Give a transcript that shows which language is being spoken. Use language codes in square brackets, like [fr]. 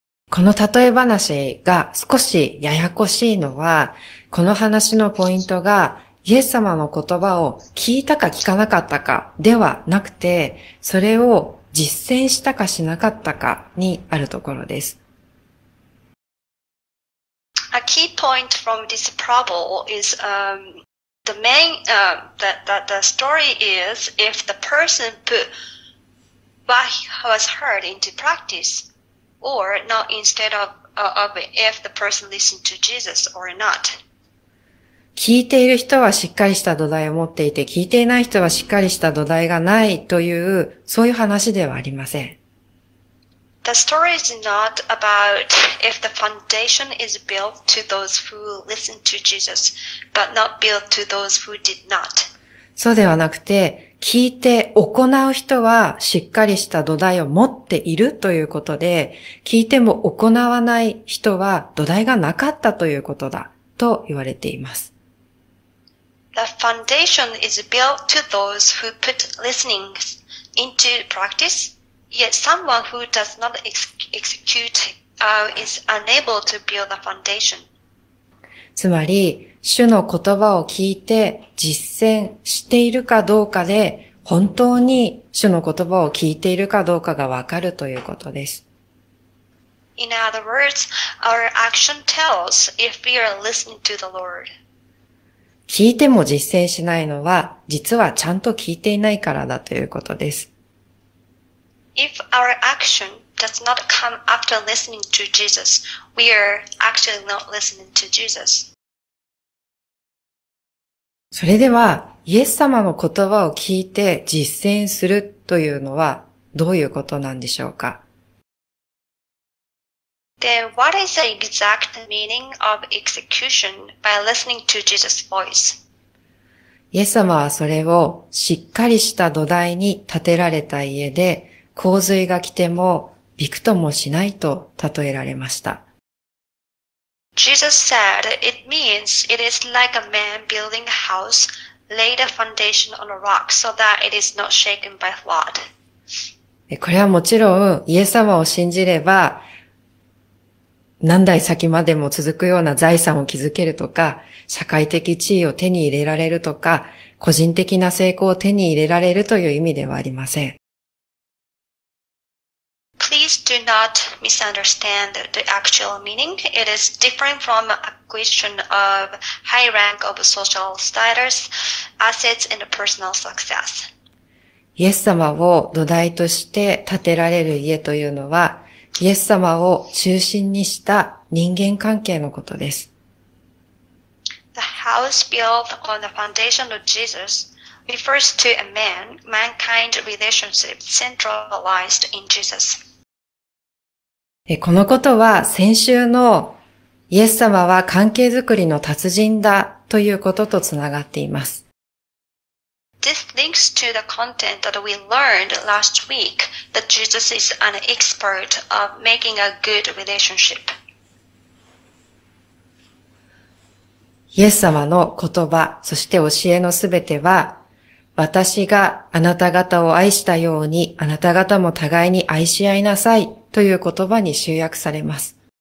[ja] この例え話が少しややこしいのは、この話のポイントが、イエス様の言葉を聞いたか聞かなかったかではなくて、それを実践したかしなかったかにあるところです。 [en] A key point from this parable is, the main, the story is if the person put what was heard into practice,or not instead of if the person listened to Jesus or not. [ja] 聞いている人はしっかりした土台を持っていて、聞いていない人はしっかりした土台がないという、そういう話ではありません。 [en] The story is not about if the foundation is built to those who listened to Jesus, but not built to those who did not. [ja] そうではなくて、聞いて行う人はしっかりした土台を持っているということで、聞いても行わない人は土台がなかったということだと言われています。 [en] The foundation is built to those who put listening into practice, yet someone who does not execute, is unable to build the foundation. [ja] つまり、主の言葉を聞いて実践しているかどうかで、本当に主の言葉を聞いているかどうかがわかるということです。 [en] In other words, our action tells if we are listening to the Lord. [ja] 聞いても実践しないのは、実はちゃんと聞いていないからだということです。 [en] If our action does not come after listening to Jesus, we are actually not listening to Jesus. [ja] それでは、イエス様の言葉を聞いて実践するというのはどういうことなんでしょうか。 [en] Then what is the exact meaning of execution by listening to Jesus' voice? [ja] イエス様はそれをしっかりした土台に建てられた家で、洪水が来てもびくともしないと例えられました。 [en] Jesus said, it means it is like a man building a house, laid a foundation on a rock so that it is not shaken by flood. [ja] これはもちろん、イエス様を信じれば、何代先までも続くような財産を築けるとか、社会的地位を手に入れられるとか、個人的な成功を手に入れられるという意味ではありません。 [en] Please do not misunderstand the actual meaning. It is different from a question of high rank of social status, assets and personal success. [ja] イエス様を土台として建てられる家というのは、イエス様を中心にした人間関係のことです。 [en] The house built on the foundation of Jesus refers to a mankind relationship centralized in Jesus. [ja] このことは先週のイエス様は関係づくりの達人だということとつながっています。 [en] This links to the content that we learned last week that Jesus is an expert of making a good relationship. [ja] イエス様の言葉、そして教えのすべては、私があなた方を愛したようにあなた方も互いに愛し合いなさい。という言葉に集約されます。